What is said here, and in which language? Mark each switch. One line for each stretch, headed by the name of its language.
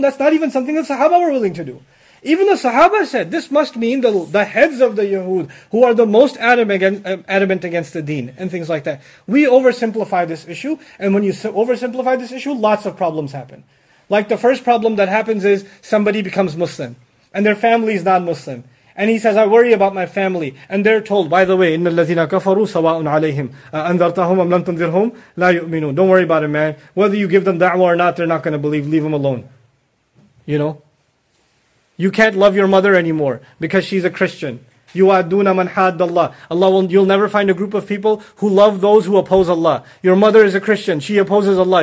English: That's not even something the Sahaba were willing to do. Even the Sahaba said, this must mean the heads of the Yahud, who are the most adamant against the deen, and things like that. We oversimplify this issue, and when you oversimplify this issue, lots of problems happen. Like the first problem that happens is, somebody becomes Muslim, and their family is non-Muslim. And he says, I worry about my family. And they're told, by the way,
Arabic: إِنَّ الَّذِينَ كَفَرُوا سَوَاءٌ عَلَيْهِمْ أَنذَرْتَهُمْ أَمْ لَمْ تُنذِرْهُمْ لَا يُؤْمِنُونَ.
English: Don't worry about it, man. Whether you give them da'wah or not, they're not going to believe. Leave them alone. You know? You can't love your mother anymore because she's a Christian.
Arabic: يُوَعَدُّونَ مَنْ حَادَّ اللَّهِ.
English: Allah will, you'll never find a group of people who love those who oppose Allah. Your mother is a Christian. She opposes Allah.